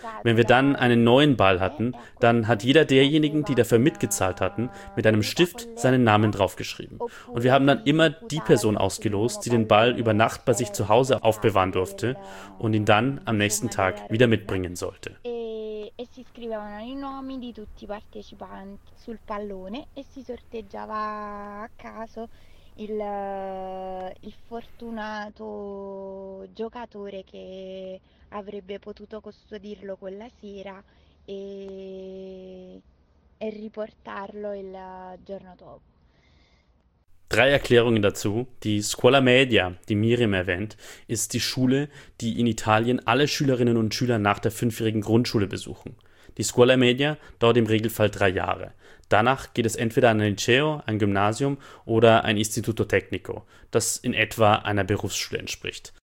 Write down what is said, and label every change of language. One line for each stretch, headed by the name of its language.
German: Wenn wir dann einen neuen Ball hatten, dann hat jeder derjenigen, die dafür mitgezahlt hatten, mit einem Stift seinen Namen draufgeschrieben. Und wir haben dann immer die Person ausgelost, die den Ball über Nacht bei sich zu Hause aufbewahren durfte und ihn dann am nächsten Tag wieder mitbringen sollte.
Italian: E si scrivevano i nomi di tutti i partecipanti sul pallone e si sorteggiava a caso il fortunato giocatore che avrebbe potuto custodirlo quella sera e riportarlo il giorno dopo.
German: Drei Erklärungen dazu. Die Scuola Media, die Miriam erwähnt, ist die Schule, die in Italien alle Schülerinnen und Schüler nach der fünfjährigen Grundschule besuchen. Die Scuola Media dauert im Regelfall 3 Jahre. Danach geht es entweder an ein Liceo, ein Gymnasium oder ein Istituto Tecnico, das in etwa einer Berufsschule entspricht.